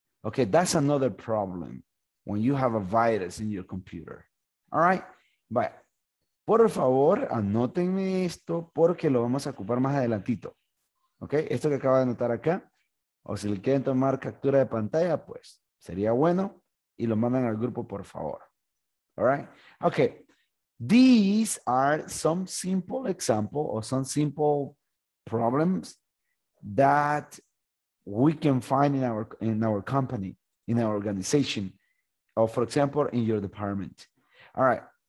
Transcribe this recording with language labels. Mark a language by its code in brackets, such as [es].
[en] Okay, that's another problem when you have a virus in your computer. All right? Bye. [es] Por favor, anótenme esto porque lo vamos a ocupar más adelantito. Okay? Esto que acaba de anotar acá, o si le quieren tomar captura de pantalla, pues sería bueno y lo mandan al grupo, por favor. [en] All right? Okay. These are some simple example or some simple problems that we can find in our company, in our organization, or for example, in your department. All right.